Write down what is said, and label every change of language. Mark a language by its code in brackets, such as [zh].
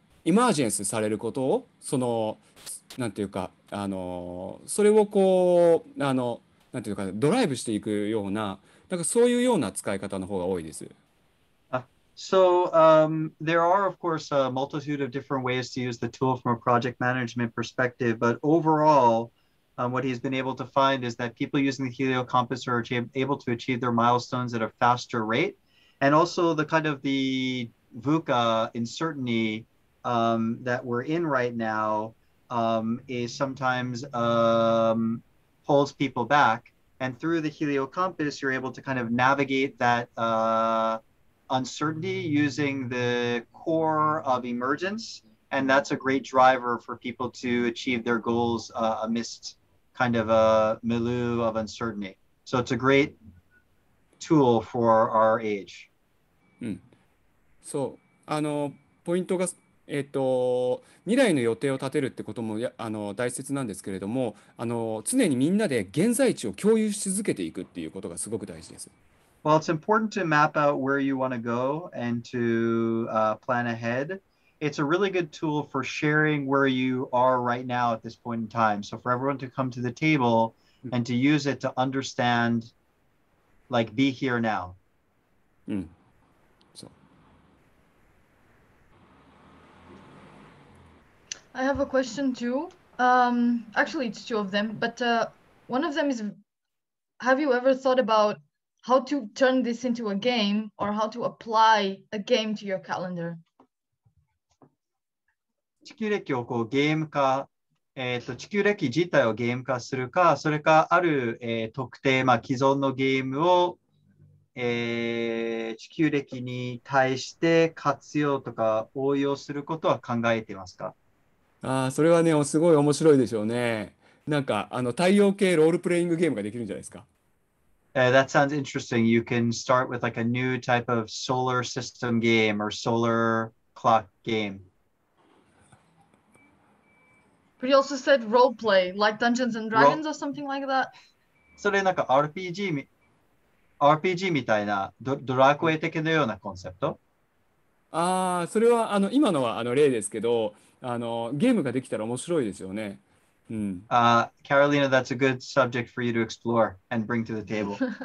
[ja] マージェンスされることを、そのなんていうかそれをこうなんていうかドライブしていくような、なんかそういうような使い方の方が多いです。 [en] So, there are, of course, a multitude of different ways to use the tool from a project management perspective, but overall, what he's been able to find is that people using the Helio Compass are able to achieve their milestones at a faster rate. And also the kind of the VUCA uncertainty that we're in right now is sometimes holds people back. And through the Helio Compass, you're able to kind of navigate that uncertainty using the core of emergence. And that's a great driver for people to achieve their goals amidst kind of a milieu of uncertainty. So it's a great tool for our age. [ja] So, ポイントが、未来の予定を立てるってことも大切なんですけれども、常にみんなで現在地を共有し続けていくっていうことがすごく大事です。 [en] Well, it's important to map out where you want to go and to plan ahead. It's a really good tool for sharing where you are right now at this point in time. So for everyone to come to the table and to use it to understand, like, be here now. うん。 I have a question too. Actually, it's two of them, but one of them is, have you ever thought about how to turn this into a game or how to apply a game to your calendar? [ja] 地球歴をこうゲーム化、地球歴自体をゲーム化するか、それかある、特定、まあ、既存のゲームを、地球歴に対して活用とか応用することは考えていますか？ああ、それはね、すごい面白いでしょうね。なんか、太陽系ロールプレイングゲームができるんじゃないですか。 [en] That sounds interesting. You can start with like a new type of solar system game or solar clock game. But you also said role play, like Dungeons and Dragons or something like that. [ja] それなんか RPG みたいな、ドラクエ的なようなコンセプト？ああ、それは今のは例ですけど、ゲームができたら面白いですよね。うん。 [en] Carolina, that's a good subject for you to explore and bring to the table.